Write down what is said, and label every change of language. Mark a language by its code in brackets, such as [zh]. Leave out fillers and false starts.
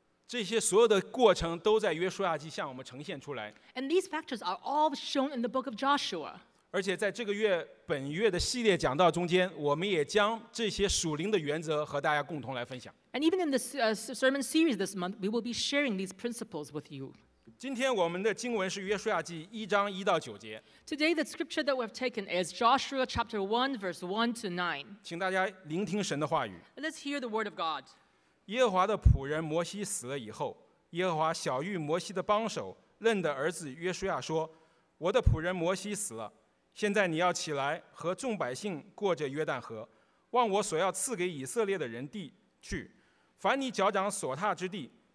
[zh] 这些所有的过程都在约书亚记向我们呈现出来。 [en] And these factors are all shown in the book of Joshua. [zh] 而且在这个月本月的系列讲道中间，我们也将这些属灵的原则和大家共同来分享。 [en] And even in this sermon series this month, we will be sharing these principles with you. [zh] 今天我们的经文是约书亚记一章一到九节。 [en] Today the scripture that we have taken is Joshua chapter 1 verse 1 to 9. [zh] 请大家聆听神的话语。 [en] Let's hear the word of God. [zh] 耶和华的仆人摩西死了以后，耶和华晓谕摩西的帮手嫩的儿子约书亚说：“我的仆人摩西死了，现在你要起来和众百姓过着约旦河，往我所要赐给以色列的人地去，凡你脚掌所踏之地。”